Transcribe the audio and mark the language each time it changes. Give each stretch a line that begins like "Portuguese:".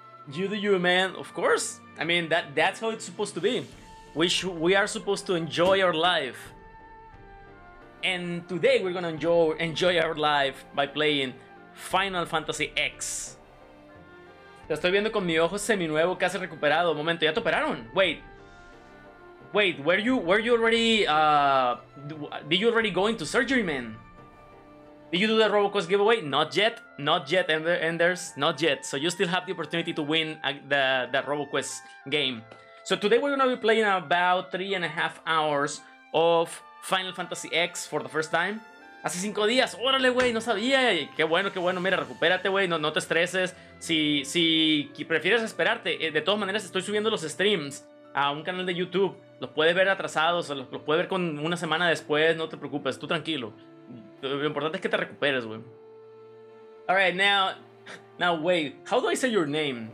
English: You do you, man. Of course. I mean, that's how it's supposed to be. We are supposed to enjoy our life. And today we're gonna enjoy our life by playing Final Fantasy X.
Spanish: Te estoy viendo con mi ojo seminuevo, casi recuperado. Momento, ¿ya te operaron?
English: Wait, were you already, did you already go into surgery, man? Did you do the RoboQuest giveaway? Not yet, Enders, not yet. So you still have the opportunity to win the RoboQuest game. So today we're going to be playing about 3.5 hours of Final Fantasy X for the first time.
Spanish: Hace 5 días, órale, güey, no sabía. Qué bueno, mira, recupérate, güey, no te estreses. Si prefieres esperarte, de todas maneras estoy subiendo los streams a un canal de YouTube. Los puedes ver atrasados, o los puedes ver con una semana después, no te preocupes, tú tranquilo. Lo importante es que te recuperes, güey.
English: Alright, now wait, how do I say your name?